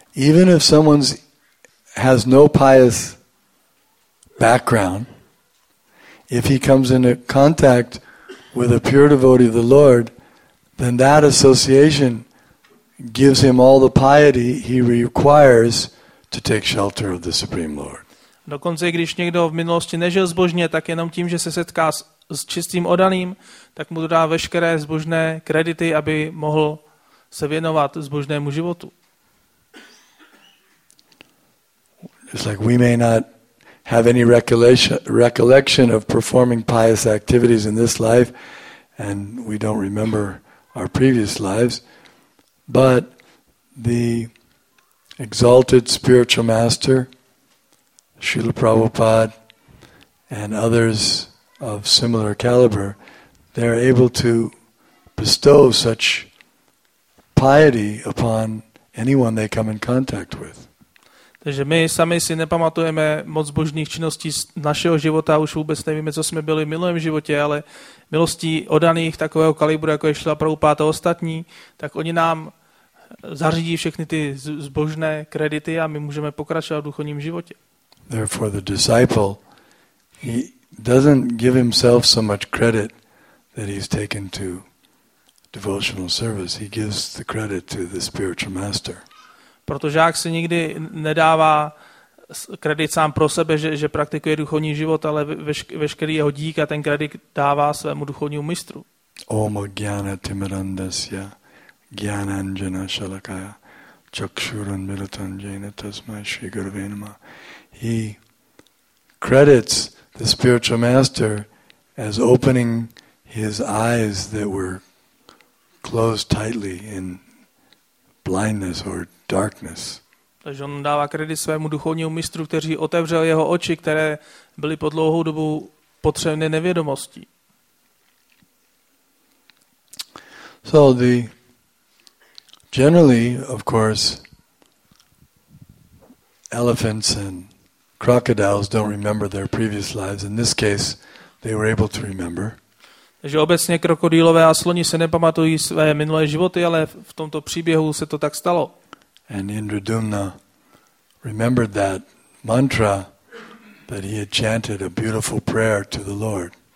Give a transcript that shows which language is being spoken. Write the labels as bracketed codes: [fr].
[en] Even if someone has no pious background, if he comes into contact with a pure devotee of the Lord, then that association gives him all the piety he requires to take shelter of the Supreme Lord. [cs] Dokonce i když někdo v minulosti nežil zbožně, tak jenom tím, že se setká s čistým oddaným, tak mu dodá veškeré zbožné kredity, aby mohl se věnovat zbožnému životu. [en] It's like we may not have any recollection of performing pious activities in this life, and we don't remember our previous lives, but the exalted spiritual master Srila Prabhupada and others of similar caliber, they're able to bestow such piety upon anyone they come in contact with. [cs] Takže my sami si nepamatujeme moc božných činností z našeho života, už vůbec nevíme, co jsme byli v minulém životě, ale milostí odaných takového kalibru, jako je Srila Prabhupada a ostatní, tak oni nám zařídí všechny ty zbožné kredity a my můžeme pokračovat v duchovním životě. [en] Therefore the disciple, he doesn't give himself so much credit that he's taken to devotional service. He gives the credit to the spiritual master. [cs] Proto žák si nikdy nedává kredit sám pro sebe, že praktikuje duchovní život, ale veškerý jeho dík a ten kredit dává svému duchovnímu mistru. [sa] Om Gyanatimirandasya Gyananjana Shalakaya Chakshuran Milatan Jena Tasmai Shri Gurave Namah. [en] He credits the spiritual master as opening his eyes that were closed tightly in blindness or darkness. [cs] Takže on dává kredit svému duchovnímu mistru, který otevřel jeho oči, které byly po dlouhou dobu potřebné nevědomostí. [en] So the generally, of course, elephants and crocodiles don't remember their previous lives. In this case, they were able to remember. [cs] Takže obecně krokodýlové a sloni se nepamatují své minulé životy, ale v tomto příběhu se to tak stalo. [en] And Indradumna remembered that mantra that he had chanted, a beautiful prayer to the Lord.